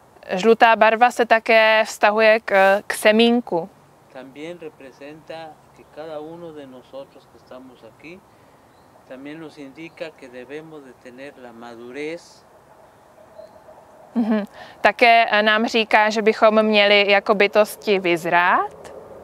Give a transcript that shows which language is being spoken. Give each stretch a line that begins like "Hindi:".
Czech: Žlutá barva se také vztahuje k semínku.
Spanish: También representa que cada uno de nosotros que estamos aquí también nos indica que debemos de tener la madurez.
Czech: Také nám říká, že bychom měli jako bytosti vyzrát.